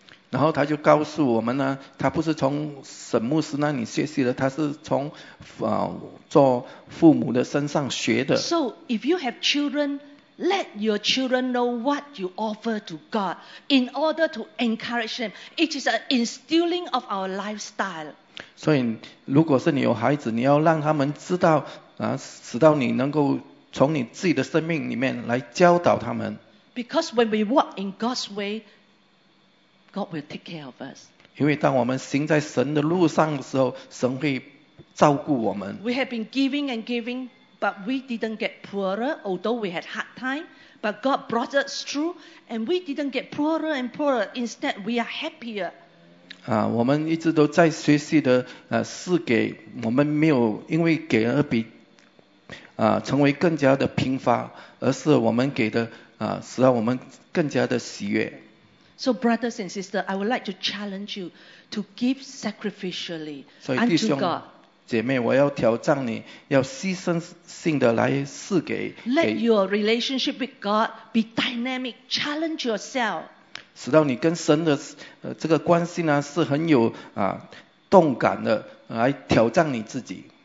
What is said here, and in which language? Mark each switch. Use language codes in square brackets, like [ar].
[zh] 然后他就告诉我们呢，他不是从沈牧师那里学习的，他是从做父母的身上学的。 [en] So if you have children, let your children know what you offer to God in order to encourage them. It is an instilling of our lifestyle. [zh] 所以如果是你有孩子，你要让他们知道使到你能够从你自己的生命里面来教导他们。 [en] Because when we walk in God's way,God will take care of us. [zh] 因为当我们行在神的路上的时候，神会照顾我们。 [en] We have been giving and giving, but we didn't get poorer, although we had hard time. But God brought us through, and we didn't get poorer and poorer. Instead, we are happier. [zh] 我们一直都在学习的，是给我们没有因为给而比成为更加的贫乏，而是我们给的使我们更加的喜悦。 [en] So brothers and sisters, I would like to challenge you to give sacrificially unto God. [zh] 弟兄姐妹，我要挑战你，要牺牲性的来赐给。 [en] Let your relationship with God be dynamic. Challenge yourself. [zh] 使到你跟神的这个关系呢是很有动感的，来挑战你自己。